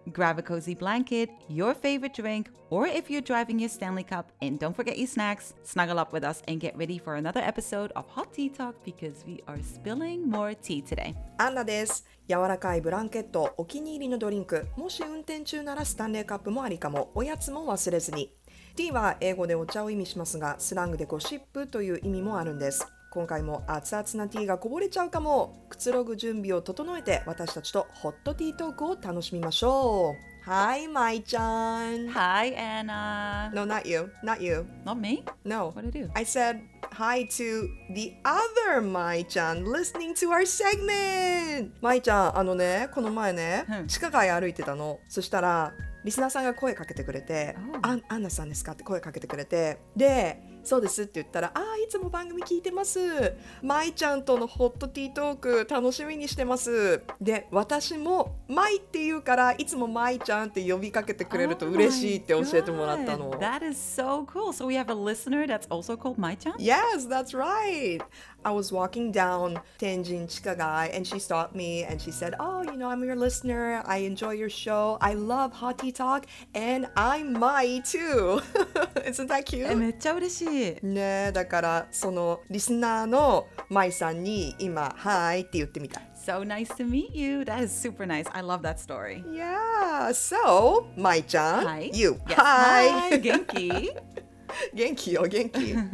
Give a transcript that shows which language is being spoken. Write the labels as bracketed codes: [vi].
[en] Grab a cozy blanket, your favorite drink, or if you're driving your Stanley Cup, and don't forget your snacks, snuggle up with us and get ready for another episode of Hot Tea Talk because we are spilling more tea today. [ja] アンナです。柔らかいブランケット、お気に入りのドリンク、もし運転中ならスタンレーカップもありかも、おやつも忘れずに。ティーは英語でお茶を意味しますが、スラングでゴシップという意味もあるんです。今回も熱々なティーがこぼれちゃうかも。くつろぐ準備を整えて私たちとホットティートークを楽しみましょう。 [en] Hi, Mai chan. Hi, Anna. No, not you. Not you. Not me? No. What did I do? I said hi to the other Mai chan listening to our segment. [ja] Mai chan, あのね、この前ね、地下街歩いてたの。そしたら、リスナーさんが声かけてくれて、アンナさんですかって声かけてくれて、で、そうですって言ったら、ああいつも番組聞いてます、まいちゃんとのホットティートーク楽しみにしてます、で私もまいって言うからいつもまいちゃんって呼びかけてくれると嬉しいって教えてもらったの。 [en] That is so cool. So we have a listener that's also called まいちゃん? Yes, that's right. I was walking down Tianjin Chikagai and she stopped me and she said, oh, you know, I'm your listener. I enjoy your show. I love Hot Tea Talk and I'm Mai too. Isn't that cute? [ja] めっちゃ嬉しい。ねえ、だからそのリスナーのマイさんに今はいって言ってみた。 [en] So nice to meet you. That is super nice. I love that story. Yeah. So, マイちゃん、 Hi. You. Yes. Hi. Hi. [ja] 元気？元気よ、元気。